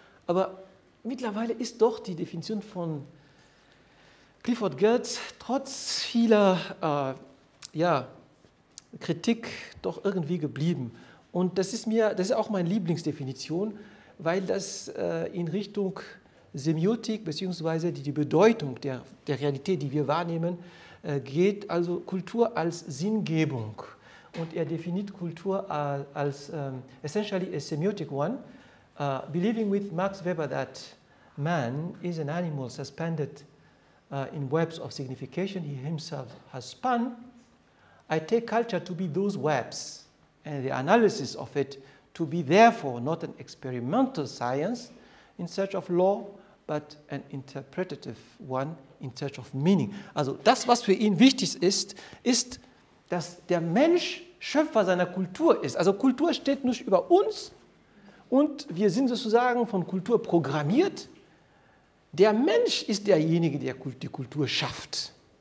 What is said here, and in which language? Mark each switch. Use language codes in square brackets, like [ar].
[de] Aber mittlerweile ist doch die Definition von Clifford Geertz, trotz vieler Kritik, doch irgendwie geblieben. Und das ist auch meine Lieblingsdefinition, weil das in Richtung Semiotik bzw. die Bedeutung der Realität, die wir wahrnehmen, geht. Also Kultur als Sinngebung. Und er definiert Kultur als [en] essentially a semiotic one, believing with Max Weber that man is an animal suspended in webs of signification he himself has spun, I take culture to be those webs and the analysis of it to be therefore not an experimental science in search of law, but an interpretative one in search of meaning. [de] Also das, was für ihn wichtig ist, ist, dass der Mensch Schöpfer seiner Kultur ist. Also Kultur steht nicht über uns und wir sind sozusagen von Kultur programmiert. Der Mensch ist derjenige, der die Kultur schafft.